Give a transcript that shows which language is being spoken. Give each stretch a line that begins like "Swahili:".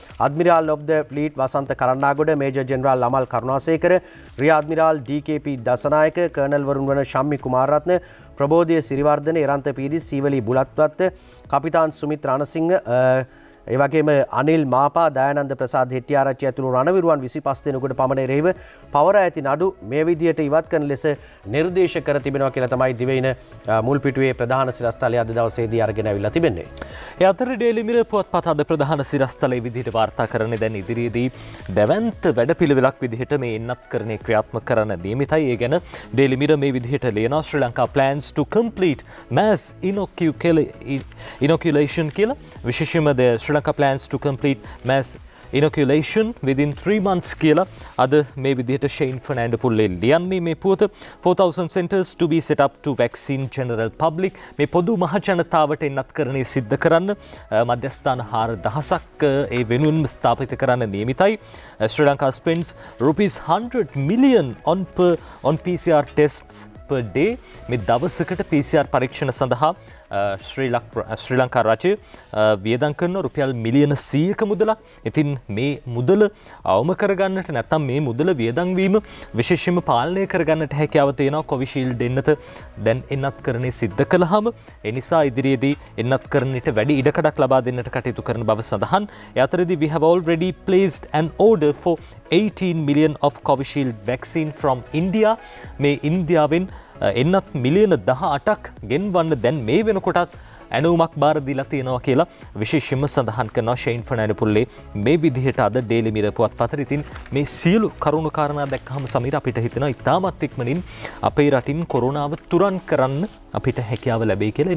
Sinhala: අඩ්මිරාල් of the fleet Wasantha Karannagoda, major general Amal කරුණාසේකර, rear අඩ්මිරාල් DKP Dasanayake, colonel වරුන් වන ශම්මි කුමාරරත්න, ප්‍රබෝධය සිරිවර්ධන, එරන්ත පීරි, සීවලි බුලත්වත්ත, කපිතාන් සුමිත් රණසිංහ, ඒ වගේම අනිල් මාපා, දයානන්ද ප්‍රසාද් හෙට්ටිආරච්චි ඇතුළු රණවිරුවන් 25 දෙනෙකුට පමණ එරෙහිව පවර ඇති නඩු මේ විදියට ඉවත් කරන ලෙස නිර්දේශ කර තිබෙනවා කියලා තමයි දිවයින මුල් පිටුවේ ප්‍රධාන සිරස්තලය අද දවසේදී අරගෙන ඇවිල්ලා තිබෙන්නේ. ඒ අතර ඩේලි මිරර් පුවත්පත අද ප්‍රධාන සිරස්තලයේ විදිහට වාර්තා කරන්නේ දැන් ඉදිරියේදී දැවැන්ත වැඩපිළිවෙලක් විදිහට මේ එන්නත්කරණය ක්‍රියාත්මක කරන නියමිතයි. ඒ ගැන ඩේලි මිරර් මේ විදිහට ලියනවා.
English: Sri Lanka plans to complete mass inoculation
Sinhala: කියලා. විශේෂයෙන්ම
English: Sri Lanka plans to complete mass inoculation within 3 months
Sinhala: කියලා අද මේ විදිහට ෂේන් ෆර්නැන්ඩෝ පුල්ලේ ලියන්නේ. මේ පුවත
English: 4000 centers to be set up to vaccine general public.
Sinhala: මේ පොදු මහජනතාවට එන්නත්කරණය සිද්ධ කරන්න මධ්‍යස්ථාන 4000ක් ඒ වෙනුවෙන් ස්ථාපිත කරන්න නියමිතයි.
English: Sri Lanka spends rupees 100 million on PCR tests per day.
Sinhala: මේ දවසකට PCR පරීක්ෂණ සඳහා ශ්‍රී ලංකා රජය වියදම් කරන රුපියල් මිලියන 100ක මුදලක්. ඉතින් මේ මුදල අවම කරගන්නට නැත්නම් මේ මුදල වියදම් වීම විශේෂයෙන්ම පාලනය කරගන්නට හැකියාව තියෙනවා කොවිෂීල්ඩ් එන්නත දැන් එන්නත් කරන්නේ සිද්ධ කළාම. ඒ නිසා ඉදිරියේදී එන්නත් කරන්නට වැඩි ඉඩකඩක් ලබා දෙන්නට කටයුතු කරන බව සඳහන්. යතරදී
English: we have already placed an order for 18 million of Covishield vaccine from India.
Sinhala: මේ ඉන්දියාවෙන් එන්නත් මිලියන 18ක් ගෙන්වන්න දැන් මේ වෙනකොටත් ඇනුමක් බාර දීලා තියෙනවා කියලා විශේෂයෙන්ම සඳහන් කරනවා ෂේන් ෆර්නැන්ඩෝපුල්ලේ මේ විදිහට අද ඩේලි මිරර් පුවත්පතට. ඉතින් මේ සියලු කරුණු කාරණා දැක්කහම සමීර අපිට හිතෙනවා ඉතාමත් ඉක්මනින් අපේ රටින් කොරෝනාව තුරන් කරන්න අපිට හැකියාව ලැබෙයි කියලා.